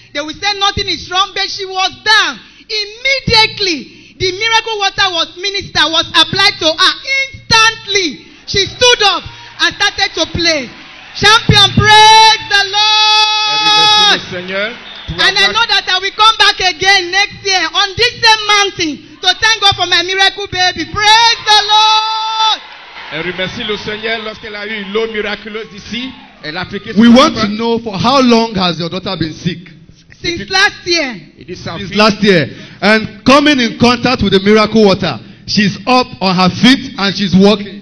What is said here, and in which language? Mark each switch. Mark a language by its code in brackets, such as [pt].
[en] They will say nothing is wrong, but she was down. Immediately, the miracle water was ministered, was applied to her. Instantly, she stood up and started to play. Champion, praise the Lord! And I know that I will come back again next year on this same mountain to thank God for my miracle baby. Praise the Lord! [fr] Et remercie le Seigneur lorsqu'elle a eu l'eau miraculeuse ici. Elle a appliqué. [en] We want to know for how long has your daughter been sick? Since last year. And coming in contact with the miracle water, she's up on her feet and she's walking.